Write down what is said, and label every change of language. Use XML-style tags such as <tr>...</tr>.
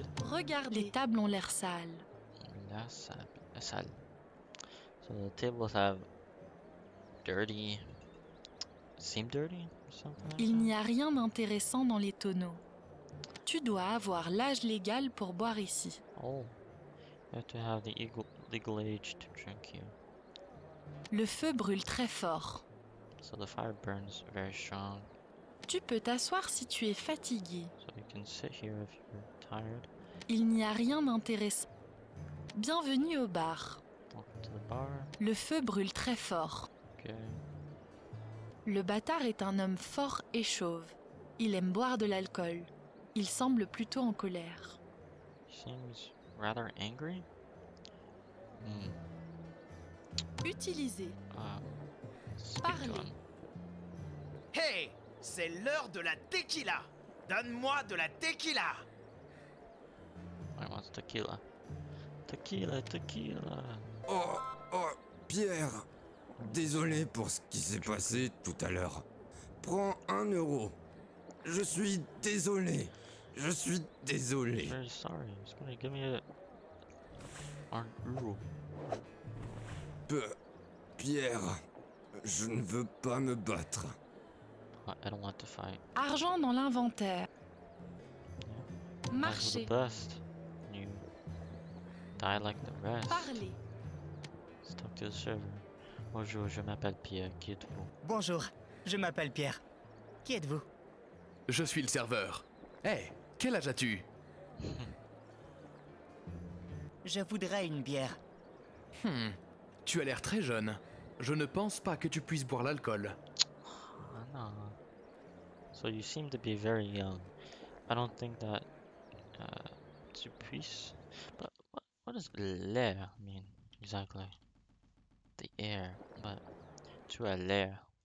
<fr>Regardez. Les tables ont l'air sales. la salle.</fr> <en>So the tables have dirty. Seem dirty? Something like</en> <fr>Il n'y a rien d'intéressant dans les tonneaux. Tu dois avoir l'âge légal pour boire ici. Oh.</fr> <en>You have to have the legal age to drink here.</en> <fr>Le feu brûle très fort.</fr> <en>So the fire burns very strong.</en> <fr>Tu peux t'asseoir si tu es fatigué.</fr> <en>So you can sit here if you're tired.</en> <fr>Il n'y a rien d'intéressant. Bienvenue au bar.</fr> <en>Welcome to the bar.</en> <fr>Le feu brûle très fort.</fr> <en>Okay.</en> <fr>Le bâtard est un homme fort et chauve. Il aime boire de l'alcool. Il semble plutôt en colère.</fr> <en>Seems rather angry.</en> <fr>Utilisez. Parlez. Hey, c'est l'heure de la tequila. Donne-moi de la tequila.</fr> <en>I want tequila. Tequila, tequila. Oh, oh, Pierre.</en> <fr>Désolé pour ce qui s'est passé tout à l'heure. Prends un euro. Je suis désolé. Je suis désolé.</fr> <en>Very sorry. He's gonna give me an euro.</en> <fr>Pierre, je ne veux pas me battre.</fr> <en>I don't want to fight.</en> <fr>Argent dans l'inventaire. Marché.</fr> <en>You die like the rest.</en> <fr>Parlez.</fr> <en>Let's talk to the server.</en> <fr>Bonjour, je m'appelle Pierre. Qui êtes-vous? Bonjour, je m'appelle Pierre. Qui êtes-vous? Je suis le serveur. Hey, quel âge as-tu? Je voudrais une bière. Tu as l'air très jeune. Je ne pense pas que tu puisses boire l'alcool.</fr> <en>Oh, no. So you seem to be very young. I don't think that</en> <fr>tu puisses.</fr> <en>But what does l'air mean exactly? The air, but</en> <fr>tu as l'air.</fr>